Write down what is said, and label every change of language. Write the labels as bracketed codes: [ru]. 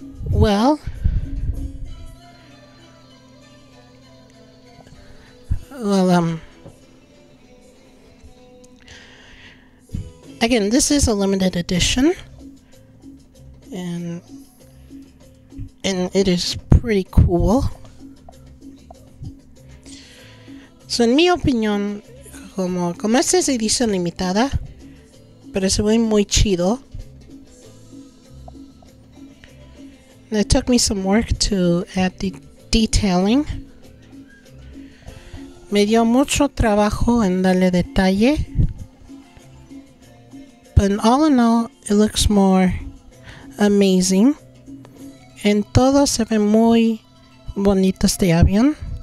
[en] Well, again, this is a limited edition, and it is pretty cool. [es] So, en mi opinión, como esta es edición limitada, pero se ve muy chido. [en] It took me some work to add the detailing. [es] Me dio mucho trabajo en darle detalle. [en] But all in all, it looks more amazing. [es] En todo se ve muy bonito este avión.